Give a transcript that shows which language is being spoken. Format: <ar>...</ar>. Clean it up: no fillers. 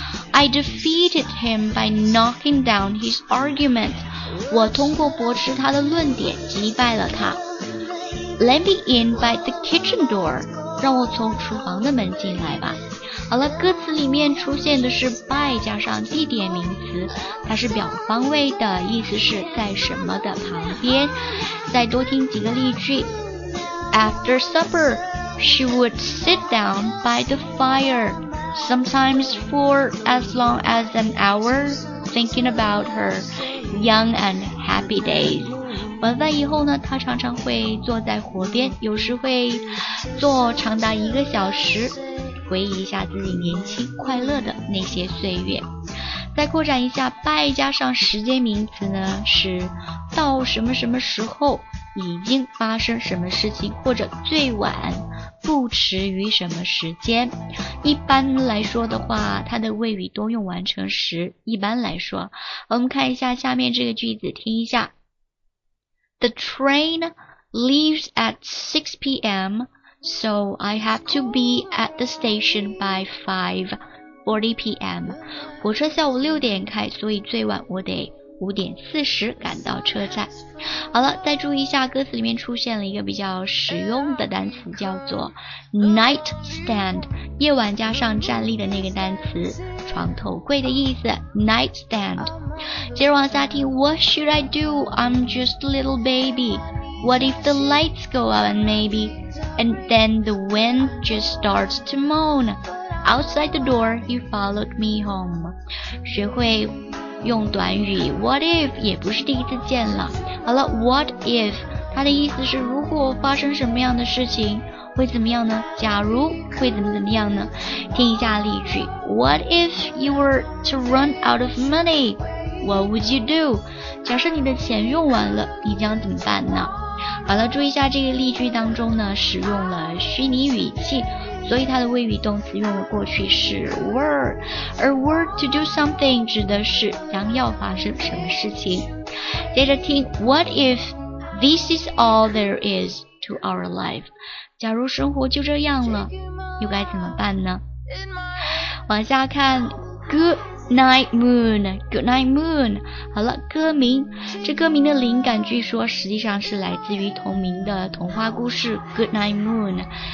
<en>I defeated him by knocking down his argument，</en> <zh>我通过驳斥他的论点击败了他。</zh> <en>Let me in by the kitchen door.</en> <zh>让我从厨房的门进来吧。好了，歌词里面出现的是 by 加上地点名词，它是表方位的，意思是在什么的旁边。再多听几个例句。</zh> <en>After supper, she would sit down by the fire, sometimes for as long as an hour, thinking about her young and happy days.</en> <zh>晚饭以后呢，他常常会坐在火边，有时会坐长达一个小时，回忆一下自己年轻快乐的那些岁月。再扩展一下 by 加上时间名词呢，是到什么什么时候已经发生什么事情，或者最晚不迟于什么时间。一般来说的话，它的谓语多用完成时。一般来说，我们看一下下面这个句子，听一下。</zh> <en>The train leaves at 6 p.m., so I have to be at the station by 5:40 p.m.</en> <zh>火车下午6点开，所以最晚我得5点40赶到车站。好了，再注意一下，歌词里面出现了一个比较实用的单词，叫做 nightstand， 夜晚加上站立的那个单词，床头柜的意思 nightstand。接着往下听</zh> <en>What should I do? I'm just a little baby. What if the lights go out and maybe? And then the wind just starts to moan. Outside the door, you followed me home.</en> <zh>学会用短语 What if 也不是第一次见了。好了， What if 它的意思是如果发生什么样的事情，会怎么样呢？假如会怎么怎么样呢？听一下例句。</zh> <en>What if you were to run out of money? What would you do?</en> <zh>假设你的钱用完了，你将怎么办呢？好了，注意一下这个例句当中呢，使用了虚拟语气，所以它的谓语动词用了过去式 were， 而</zh> <en>were to do something</en> <zh>指的是将要发生什么事情。接着听</zh> <en>What if this is all there is to our life?</en> <zh>假如生活就这样了，又该怎么办呢？往下看</zh> <en>Good night moon， Good night moon。</en> <zh>好了，歌名，这歌名的灵感据说实际上是来自于同名的童话故事 Good night moon。</zh>